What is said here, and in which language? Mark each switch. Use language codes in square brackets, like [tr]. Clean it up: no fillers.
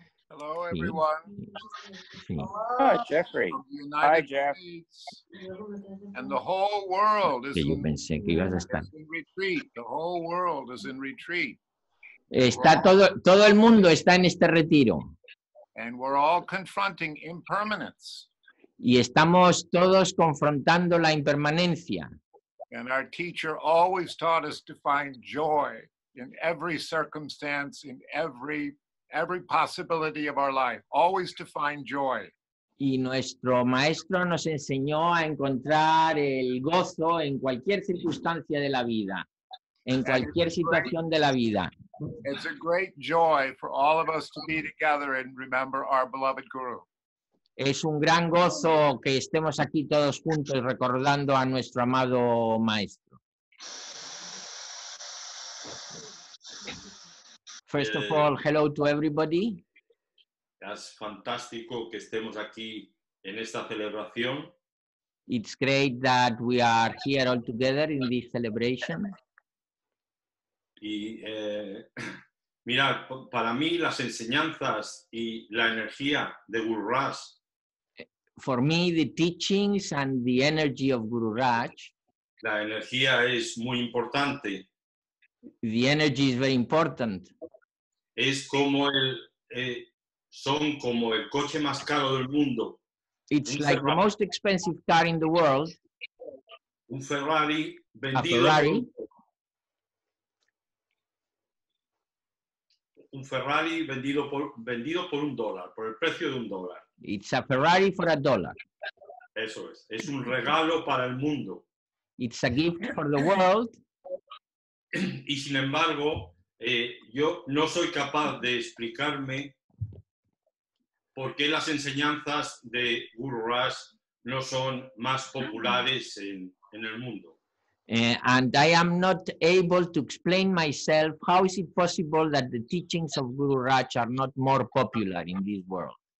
[en] Hello, everyone. Hello. Hi, Jeffrey. Hi, Jeff. States. And the whole world is in retreat. The whole world is in retreat. [es] Está todo el mundo está en este retiro. [en] And we're all confronting impermanence. [es] Y estamos todos confrontando la impermanencia. [en] And our teacher always taught us to find joy in every circumstance, in every possibility of our life, always to find joy. [es] Y nuestro maestro nos enseñó a encontrar el gozo en cualquier circunstancia de la vida, en cualquier situación de la vida. [en] It's a great joy for all of us to be together and remember our beloved guru. [es] Es un gran gozo que estemos aquí todos juntos recordando a nuestro amado maestro. [en] First of all, hello to everybody. [es] Es fantástico que estemos aquí en esta celebración. [en] It's great that we are here all together in this celebration. [es] Y mirad, para mí las enseñanzas y la energía de Guru Raj. [en] For me, the teachings and the energy of Guru Raj. [es] La energía es muy importante. [en] The energy is very important. [es] Es como el, son como el coche más caro del mundo. [en] It's un like Ferrari. The most expensive car in the world. [es] Un Ferrari vendido. [en] A Ferrari. [es] Un Ferrari vendido por un dólar, por el precio de un dólar. [en] It's a Ferrari for a dollar. [es] Eso es. Es un regalo para el mundo. [en] It's a gift for the world. [es] Y sin embargo, yo no soy capaz de explicarme por qué las enseñanzas de Guru Raj no son más populares en el mundo. [en] And I am not able to explain myself how is it possible that the teachings of Guru Raj are not more popular in this world.